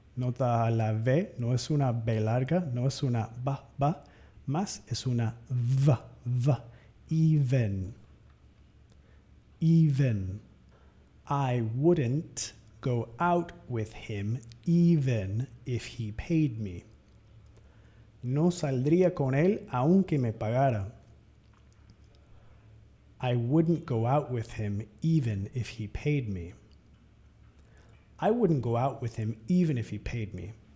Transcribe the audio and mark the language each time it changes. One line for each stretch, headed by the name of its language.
Spanish: Nota la V, no es una B larga, no es una ba, ba, más es una V, V.
English: Even. Even. I wouldn't go out with him even if he paid me.
Spanish: No saldría con él aunque me pagara.
English: I wouldn't go out with him even if he paid me. I wouldn't go out with him even if he paid me.